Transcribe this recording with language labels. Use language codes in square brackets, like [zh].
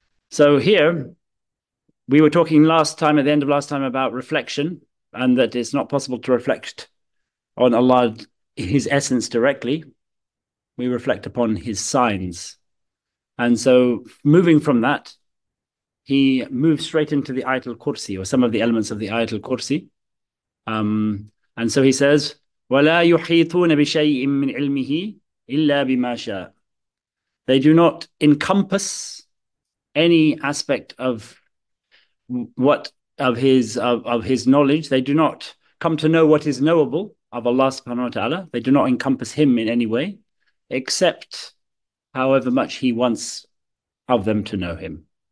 [en] So here, we were talking last time, at the end of last time, about reflection, and that it's not possible to reflect on Allah, his essence directly. We reflect upon his signs. And so moving from that, he moves straight into the Ayatul Kursi, or some of the elements of the Ayatul Kursi. And so he says, [ar] وَلَا يُحِيطُونَ بِشَيْءٍ مِّنْ عِلْمِهِ إِلَّا بِمَا شَاءَ. [en] They do not encompass any aspect of his knowledge. They do not come to know what is knowable of Allah subhanahu wa ta'ala. They do not encompass him in any way, except however much he wants of them to know him.